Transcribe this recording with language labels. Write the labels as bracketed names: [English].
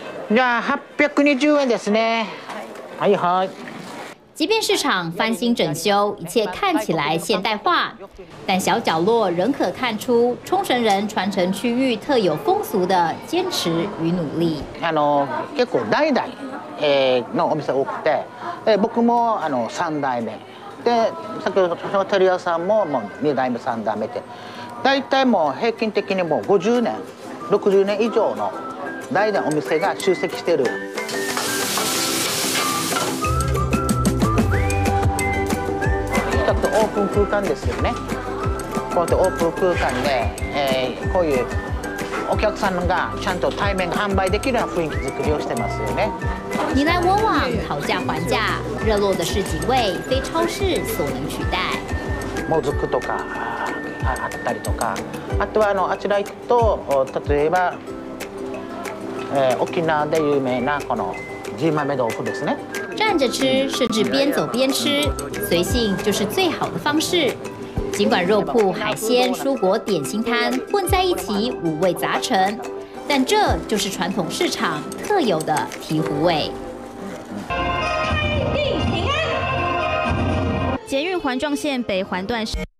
[Japanese] じゃあ820円ですね。はいはい。 [Chinese] 即便市场翻新整修，一切看起来现代化，但小角落仍可看出冲绳人传承区域特有风俗的坚持与努力。 [Japanese] 結構代々のお店多くて、僕も三代目で、先ほどのテリアさんももう二代目三代目で、大体もう平均的にもう50年、60年以上の代々お店が集積してる。オープン空間ですよね。こうやってオープン空間で、こういうお客さんがちゃんと対面販売できるような雰囲気作りをしてますよね。 [Chinese] 你来我往讨价还价，热络的市集味非超市所能取代。 [Japanese] もずくとかあったりとか、あとは あちら行くと例えば、沖縄で有名なこのジーマメ豆腐ですね。 [Chinese] 站着吃是指边走边吃，随性就是最好的方式。尽管肉铺、海鲜、蔬果点心摊混在一起，五味杂陈，但这就是传统市场特有的醍醐味。开定平安，捷运环状线北环段是。